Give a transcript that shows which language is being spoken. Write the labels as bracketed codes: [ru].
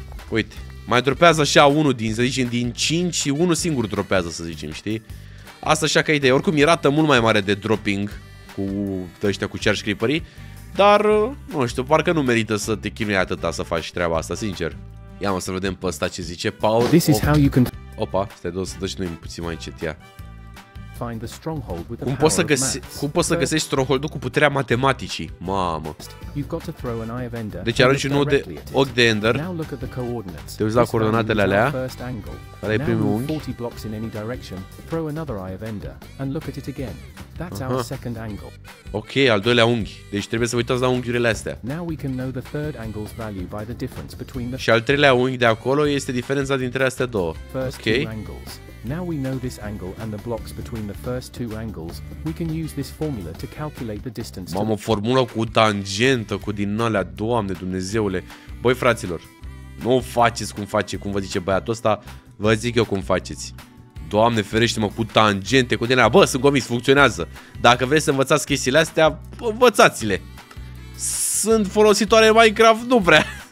[ro] Uite, mai dropează așa unul din, să zicem, din 5 și unul singur dropează, să zicem, știi? Asta așa ca idee. Oricum, e rată mult mai mare de dropping cu ăștia cu Charge Creeper-ii, dar, nu știu, parcă nu merită să te chinui atâta să faci treaba asta, sincer. Ia mă să vedem pe ăsta ce zice. Power. [en] This is how you can... [ro] Opa, stai două să dă și noi puțin mai încet, ia. [en] Find the stronghold with the power of maths. [ro] Cum poți să găsești stronghold-ul cu puterea matematicii? Mamă. [en] You've got to throw an eye of Ender. [ro] Deci arunci un ochi de Ender. [en] Now look at the coordinates. [ro] Te uiți la coordonatele alea. Ăla-i primul unghi. [en] 40 blocks in any direction. Throw another eye of Ender and look at it again. That's our second angle. [ro] Ok, al doilea unghi. Deci trebuie să uitați la unghiurile astea. [en] Now we can know the third angle's value by the difference between the... [ro] Și al treilea unghi de acolo este diferența dintre astea două. Ok. [en] Now we know this angle and the blocks between the first two angles, we can use this formula to calculate the distance. [ro] Mamă, formula cu tangentă, cu din alea, Doamne Dumnezeule. Băi, fraților, nu o faceți cum face, cum vă zice băiatul ăsta, vă zic eu cum faceți. Doamne ferește-mă, cu tangente, cu din alea, bă, sunt convins, funcționează. Dacă vreți să învățați chestiile astea, învățați-le. Sunt folositoare în Minecraft? Nu prea.